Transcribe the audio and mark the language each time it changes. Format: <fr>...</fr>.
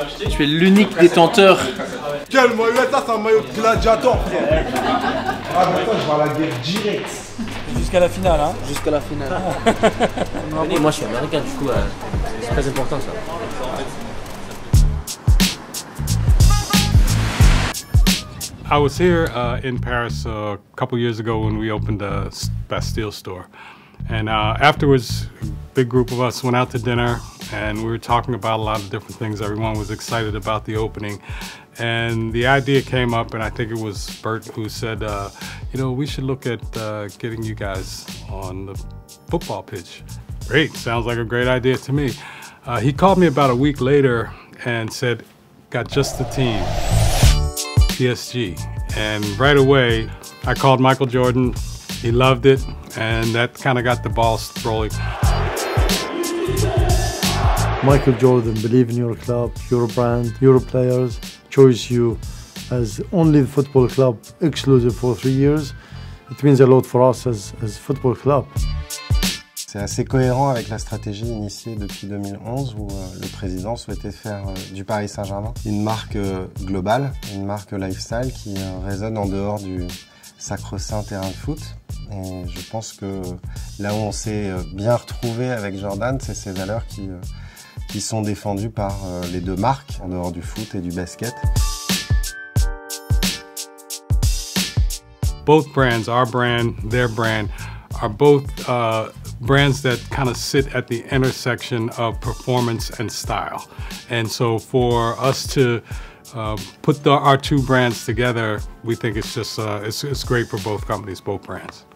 <fr>Tu es l'unique détenteur. Quel maillot, ça, c'est un maillot de gladiator, frère. Ah, attends, je vais à la guerre direct. Jusqu'à la finale, hein. Jusqu'à la finale. Moi, je suis américain, du coup, c'est très important, ça.</fr> <en>I was here in Paris a couple years ago when we opened the Bastille store. And afterwards, a big group of us went out to dinner and we were talking about a lot of different things. Everyone was excited about the opening. And the idea came up, and I think it was Bert who said, you know, we should look at getting you guys on the football pitch. Great, sounds like a great idea to me. He called me about a week later and said, got just the team. PSG, and right away, I called Michael Jordan. He loved it, and that kind of got the ball rolling. Michael Jordan believed in your club, your brand, your players, chose you as only the football club exclusive for 3 years. It means a lot for us as football club.</en> <fr>C'est assez cohérent avec la stratégie initiée depuis 2011 où le président souhaitait faire du Paris Saint-Germain une marque globale, une marque lifestyle qui résonne en dehors du sacro-saint terrain de foot. Et je pense que là où on s'est bien retrouvé avec Jordan, c'est ces valeurs qui sont défendues par les deux marques en dehors du foot et du basket.</fr> <en>Both brands, our brand, their brand, are both brands that kind of sit at the intersection of performance and style. And so for us to put our two brands together, we think it's just it's great for both companies, both brands.</en>